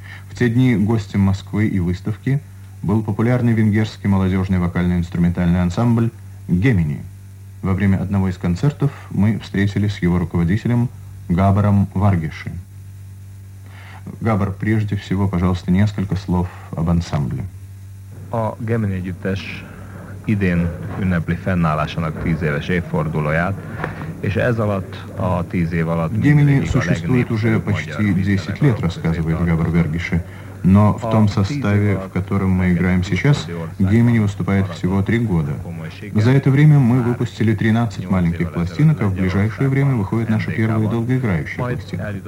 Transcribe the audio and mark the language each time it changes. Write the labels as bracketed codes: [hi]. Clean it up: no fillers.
[ru] В те дни гостем Москвы и выставки был популярный венгерский молодежный вокально-инструментальный ансамбль «Гемини». Во время одного из концертов мы встретились с его руководителем Габором Варгеши. Габор, прежде всего, пожалуйста, несколько слов об ансамбле. О, Гемини, Гюттеш. [hu] Idén ünnepli fennállásának 10 éves évfordulóját, és ez alatt a 10 év alatt [ru] Gemini существует уже почти 10 лет, рассказывает Габор Варгеши. Но в том составе, в котором мы играем сейчас, Gemini выступает всего 3 года. За это время мы выпустили 13 маленьких пластинок, а в ближайшее время выходят наши первые долгоиграющие пластинки.